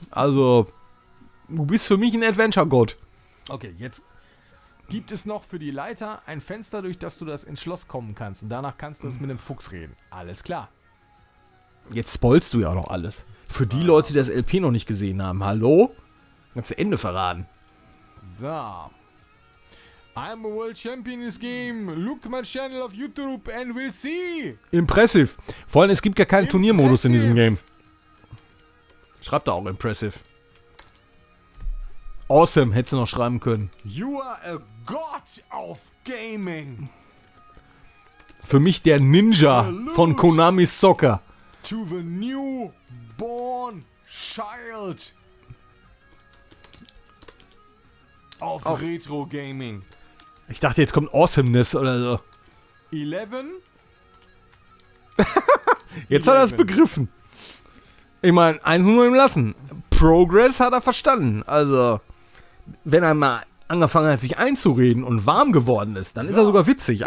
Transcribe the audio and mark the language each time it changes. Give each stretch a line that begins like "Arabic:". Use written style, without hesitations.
German: Also, du bist für mich ein Adventure-Gott. Okay, jetzt gibt es noch für die Leiter ein Fenster, durch das du das ins Schloss kommen kannst und danach kannst du es mit dem Fuchs reden. Alles klar. Jetzt spoilst du ja auch noch alles. Für die Leute, die das LP noch nicht gesehen haben. Hallo? Kannst du Ende verraten. So.
English: I'm a world champion in this game. Look my channel of YouTube and we'll see. Impressive.
German: Vor allem, es gibt gar keinen impressive Turniermodus in diesem Game. Schreib da auch impressive. Awesome, hättest du noch schreiben können.
English: You are a god of gaming.
German: Für mich der Ninja salute von Konami Soccer.
English: To the new born child of oh. Retro Gaming.
German: Ich dachte, jetzt kommt Awesomeness oder so. 11? Jetzt 11. Hat er es begriffen. Ich meine, eins muss man ihm lassen. Progress hat er verstanden. Also, wenn er mal angefangen hat, sich einzureden und warm geworden ist, dann so, ist er sogar witzig.